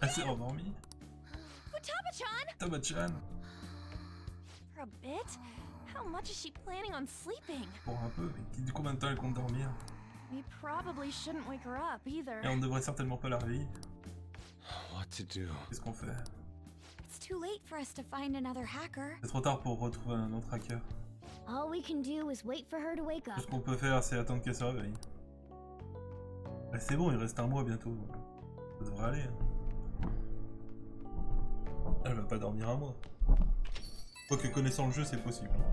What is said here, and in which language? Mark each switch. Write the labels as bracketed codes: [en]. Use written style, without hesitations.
[fr] Elle s'est endormie. Futaba-chan. Futaba-chan. [en] For a bit. How much is she planning on sleeping? [fr] Pour un peu. Mais combien de temps elle compte dormir? [en] We probably shouldn't wake her up either. [fr] Et on ne devrait certainement pas la réveiller. [en] What to do? [fr] Qu'est-ce qu'on fait? [en] It's too late for us to find another hacker. [fr] C'est trop tard pour retrouver un autre hacker. [en] All we can do is wait for her to wake up. [fr] Tout ce qu'on peut faire, c'est attendre qu'elle se réveille. Bah, c'est bon, il reste un mois bientôt. Ça devrait aller. Elle va pas dormir un mois. Quoique connaissant le jeu, c'est possible.